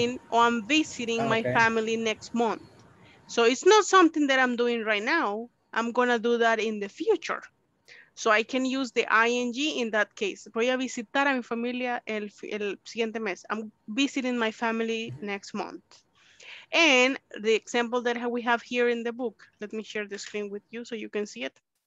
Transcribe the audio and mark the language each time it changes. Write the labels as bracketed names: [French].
[English] Or I'm visiting my family next month. So it's not something that I'm doing right now. I'm gonna do that in the future. So I can use the ing in that case. [Spanish] Voy a visitar a mi familia el siguiente mes. [English] I'm visiting my family next month. And the example that we have here in the book, let me share the screen with you so you can see it.